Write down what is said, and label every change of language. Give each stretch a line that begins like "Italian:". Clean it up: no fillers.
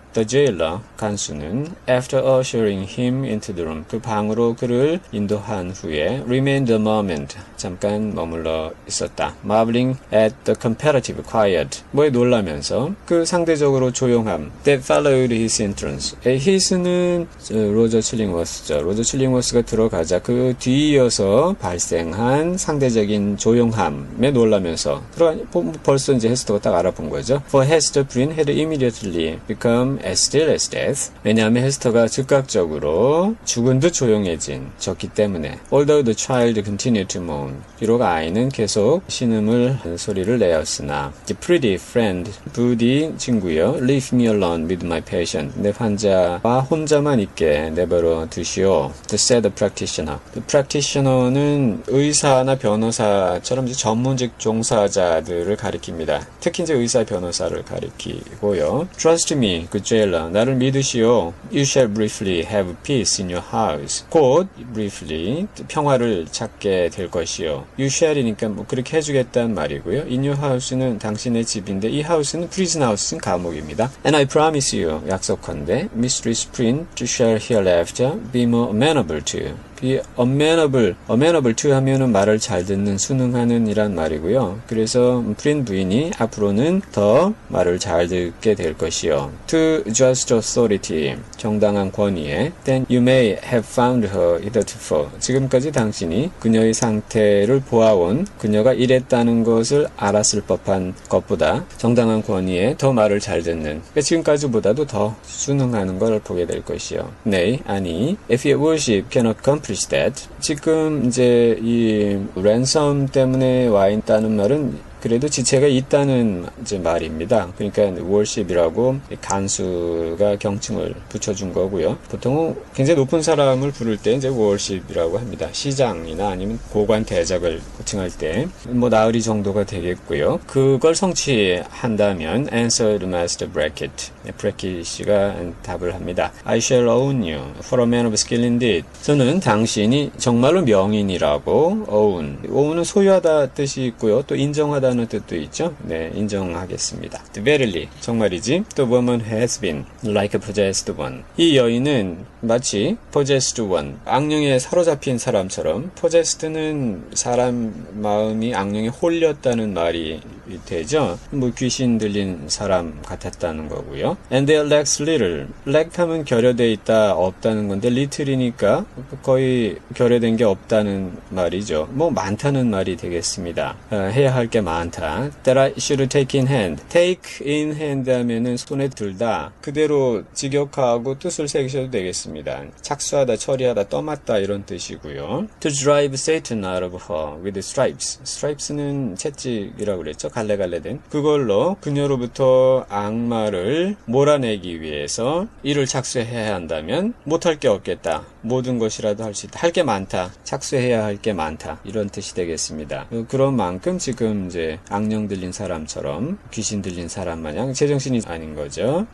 English: The jailer,
Korean: 간수는,
English: after ushering him into the room,
Korean: 그 방으로 그를 인도한 후에,
English: remained a moment,
Korean: 잠깐 머물러 있었다.
English: Marveling at the comparative quiet,
Korean: 뭐에 놀라면서, 그 상대적으로 조용함,
English: that followed his entrance.
Korean: His는, 로저 칠링워스죠. 로저 칠링워스가 들어가자, 그 뒤이어서 발생한 상대적인 조용함에 놀라면서, 벌써 이제 헤스터가 딱 알아본 거죠.
English: For Hester Prynne had immediately become as still as death.
Korean: 왜냐하면 헤스터가 즉각적으로 죽은 듯 조용해진 졌기 때문에
English: although the child continued to moan
Korean: 비록 아이는 계속 신음을 소리를 내었으나
English: the pretty friend
Korean: 부디 친구여
English: leave me alone with my patient
Korean: 내 환자와 혼자만 있게 내버려 두시오
English: the sad practitioner
Korean: the practitioner는 의사나 변호사처럼 이제 전문직 종사자들을 가리킵니다 특히 이제 의사 변호사를 가리키고요
English: trust me
Korean: 그 제일러 나를 믿으시오
English: You shall briefly have peace in your house
Korean: 곧
English: briefly
Korean: 평화를 찾게 될 것이오
English: You shall이니까
Korean: 뭐 그렇게 해주겠다는 말이고요
English: In your house는 당신의 집인데 이 house는 prison house는 감옥입니다 And I promise you
Korean: 약속한데
English: Mistress Prynne shall hereafter be more amenable to you Be amenable.
Korean: Amenable to 하면은 말을 잘 듣는, 순응하는 이란 말이고요. 그래서 프린 부인이 앞으로는 더 말을 잘 듣게 될 것이요.
English: To just authority.
Korean: 정당한 권위에.
English: Then you may have found her heretofore.
Korean: 지금까지 당신이 그녀의 상태를 보아온 그녀가 이랬다는 것을 알았을 법한 것보다 정당한 권위에 더 말을 잘 듣는. 지금까지보다도 더 순응하는 걸 보게 될 것이요. 네, 아니.
English: If your worship cannot come That.
Korean: 지금 이제 이 랜섬 때문에 와 있다는 말은 그래도 지체가 있다는 이제 말입니다. 그러니까 worship이라고 간수가 경칭을 붙여준 거고요. 보통은 굉장히 높은 사람을 부를 때 이제 worship이라고 합니다. 시장이나 아니면 고관 대작을 호칭할 때 뭐 나으리 정도가 되겠고요. 그걸 성취한다면
English: answer the master bracket.
Korean: 브래킷씨가 답을 합니다.
English: I shall own you for a man of skill indeed.
Korean: 저는 당신이 정말로 명인이라고 own. own은 소유하다 뜻이 있고요. 또 인정하다 다는 뜻도 있죠. 네, 인정하겠습니다. Verily, 정말이지.
English: The woman has been like a possessed one.
Korean: 이 여인은 마치
English: possessed one,
Korean: 악령에 사로잡힌 사람처럼 possessed는 사람 마음이 악령에 홀렸다는 말이 되죠. 뭐 귀신 들린 사람 같았다는 거고요.
English: And there lacks little.
Korean: Lack하면 결여되어 있다, 없다는 건데 little이니까 거의 결여된 게 없다는 말이죠. 뭐 많다는 말이 되겠습니다. 해야 할 게 많다.
English: That I should take in hand. Take in hand
Korean: 하면은 손에 들다. 그대로 직역하고 뜻을 새기셔도 되겠습니다. 착수하다, 처리하다, 떠맞다 이런 뜻이고요.
English: To drive Satan out of her with stripes.
Korean: Stripes는 채찍이라고 그랬죠. 갈래갈래 된. 그걸로 그녀로부터 악마를 몰아내기 위해서 일을 착수해야 한다면 못할 게 없겠다. 모든 것이라도 할 수 있다. 할 게 많다. 착수해야 할 게 많다. 이런 뜻이 되겠습니다. 그런 만큼 지금 이제 악령 들린 사람처럼 귀신 들린 사람 마냥 제정신이 아닌 거죠.